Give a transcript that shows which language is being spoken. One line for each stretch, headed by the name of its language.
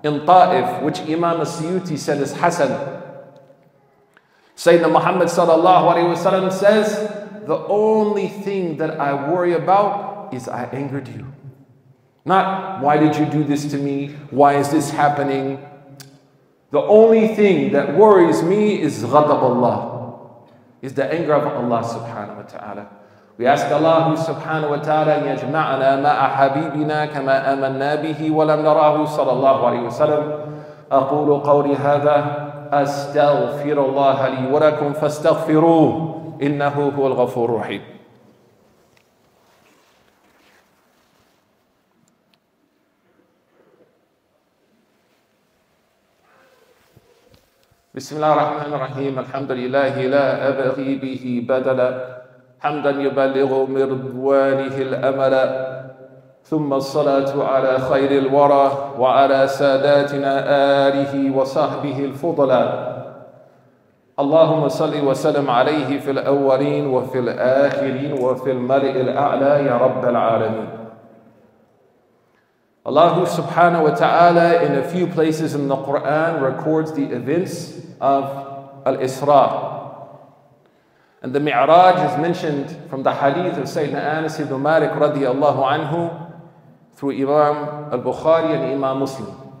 English: in Ta'if, which Imam Suyuti said is Hasan. Sayyidina Muhammad sallallahu alayhi wa sallam says, the only thing that I worry about is I angered you. Not, why did you do this to me? Why is this happening? The only thing that worries me is ghadab Allah, is the anger of Allah subhanahu wa ta'ala. We ask Allah subhanahu wa ta'ala,
Arabic: يَجْمَعْنَا مَعَ حَبِيبِنَا كَمَا أَمَنَّا بِهِ وَلَمْ نَرَاهُ صلى الله عليه وسلم. أقول قولي هذا أستغفر الله لي ولكم فاستغفروه إنه هو الغفور الرحيم. بسم الله الرحمن الرحيم الحمد لله لا أبغي به بدلا حمدا يبلغ مرضوانه الأمل ثم الصلاة على خير الورى وعلى ساداتنا آله وصحبه الفضلا اللهم صل وسلم عليه في الأولين وفي الآخرين وفي الملئ الأعلى يا رب العالمين.
English: Allah subhanahu wa ta'ala in a few places in the Qur'an records the events of Al-Isra. And the Mi'raj is mentioned from the hadith of Sayyidina Anas ibn Malik radiallahu anhu through Imam Al-Bukhari and Imam Muslim.